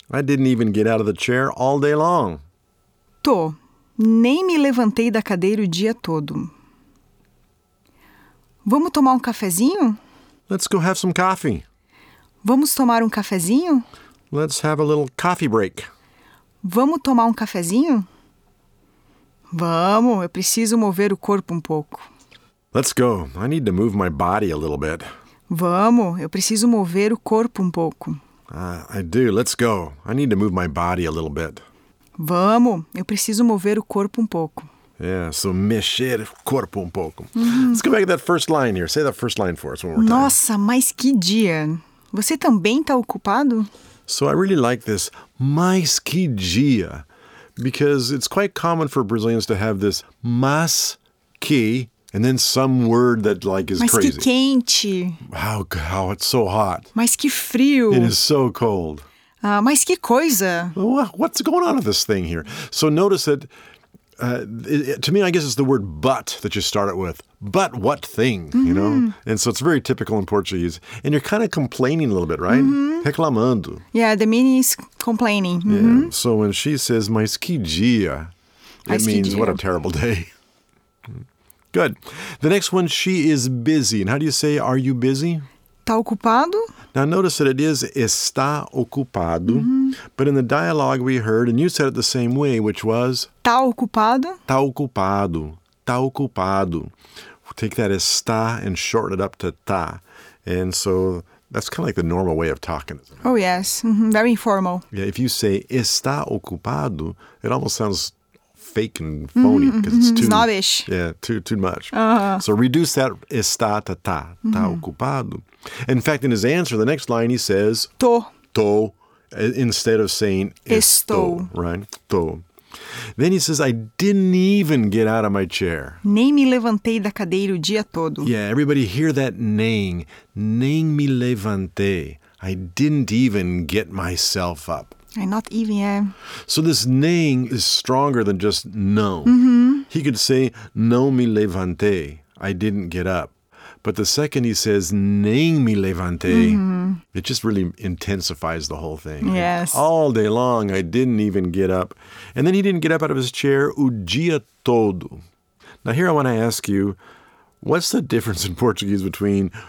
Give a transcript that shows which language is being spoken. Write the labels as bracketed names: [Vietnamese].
[English] I didn't even get out of the chair all day long. [Portuguese] Tô. Nem me levantei da cadeira o dia todo. Vamos tomar cafezinho? [English] Let's go have some coffee. [Portuguese] Vamos tomar cafezinho? [English] Let's have a little coffee break. [Portuguese] Vamos tomar cafezinho? Vamos, eu preciso mover o corpo pouco. [English] Let's go. I need to move my body a little bit. [Portuguese] Vamos, eu preciso mover o corpo pouco. [English] I do. Let's go. I need to move my body a little bit. [Portuguese] Vamos, eu preciso mover o corpo pouco. [English] Yeah, so [Portuguese] mexer o corpo pouco. Mm-hmm. [English] Let's go back to that first line here. Say that first line for us one more time. [Portuguese] Nossa, mas que dia. Você também tá ocupado? [English] So I really like this, [Portuguese] mas que dia, [English] because it's quite common for Brazilians to have this [Portuguese] mas que, [English] and then some word that like is [Portuguese] mas [English] crazy. [Portuguese] Mas que quente. [English] How it's so hot. [Portuguese] Mas que frio. [English] It is so cold. [Portuguese] Mas que coisa. [English] What's going on with this thing here? So notice that, to me, I guess it's the word but that you start it with. But what thing, you know? And so it's very typical in Portuguese. And you're kind of complaining a little bit, right? Mm-hmm. [Portuguese] Reclamando. [English] Yeah, the meaning is complaining. Yeah. Mm-hmm. So when she says, [Portuguese] mas que dia, [English] it means [Portuguese] dia. [English] What a terrible day. Good. The next one, she is busy. And how do you say, are you busy? [Portuguese] Tá ocupado? [English] Now notice that it is [Portuguese] está ocupado. Mm-hmm. [English] But in the dialogue we heard, and you said it the same way, which was? [Portuguese] Tá ocupado? Tá ocupado. Tá ocupado. [English] We'll take that está and shorten it up to tá. And so that's kind of like the normal way of talking. Oh, yes. Mm-hmm. Very informal. Yeah, if you say [Portuguese] está ocupado, [English] it almost sounds fake and phony because mm-hmm. it's too... Snobbish. Yeah, too much. Uh-huh. So reduce that está to tá. [Portuguese] Tá ocupado. [English] In fact, in his answer, the next line he says... [Portuguese] Tô. [English] Tô. Instead of saying... [Portuguese] Estou. [English] Right? Tô. Then he says, I didn't even get out of my chair. [Portuguese] Nem me levantei da cadeira o dia todo. [English] Yeah, everybody hear that nem. [Portuguese] Nem me levantei. [English] I didn't even get myself up. I'm not even, yeah. So this nem is stronger than just no. Mm-hmm. He could say, [Portuguese] não me levantei. [English] I didn't get up. But the second he says, [Portuguese] nem me levantei, [English] it just really intensifies the whole thing. Yes. Like, all day long, I didn't even get up. And then he didn't get up out of his chair [Portuguese] o dia todo. [English] Now here I want to ask you, what's the difference in Portuguese between